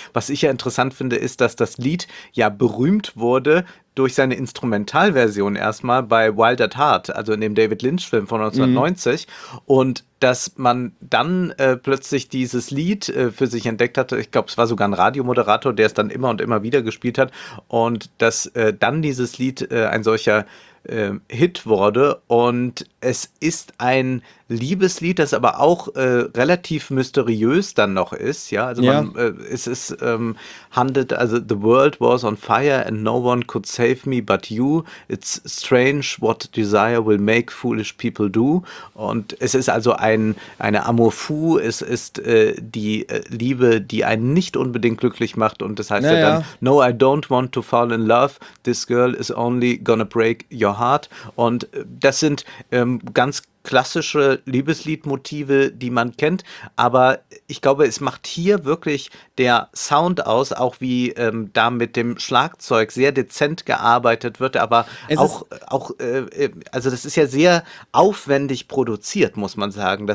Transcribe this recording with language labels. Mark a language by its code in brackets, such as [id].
[de] Was ich ja interessant finde, ist, dass das Lied ja berühmt wurde durch seine Instrumentalversion erstmal bei Wild at Heart, also in dem David Lynch Film von 1990, und dass man dann plötzlich dieses Lied für sich entdeckt hatte. Ich glaube, es war sogar ein Radiomoderator, der es dann immer und immer wieder gespielt hat, und dass dann dieses Lied ein solcher Hit wurde. Und es ist ein Liebeslied, das aber auch relativ mysteriös dann noch ist. Ja, also man, es ist handelt, also [en] the world was on fire and no one could save me but you. It's strange what desire will make foolish people do. [de] Und es ist also eine Amour fou. Es ist die Liebe, die einen nicht unbedingt glücklich macht. Und das heißt dann, [en] no, I don't want to fall in love. This girl is only gonna break your heart. [de] Und das sind ganz klassische Liebesliedmotive, die man kennt, aber ich glaube, es macht hier wirklich der Sound aus, auch wie da mit dem Schlagzeug sehr dezent gearbeitet wird, aber es auch, also das ist ja sehr aufwendig produziert, muss man sagen.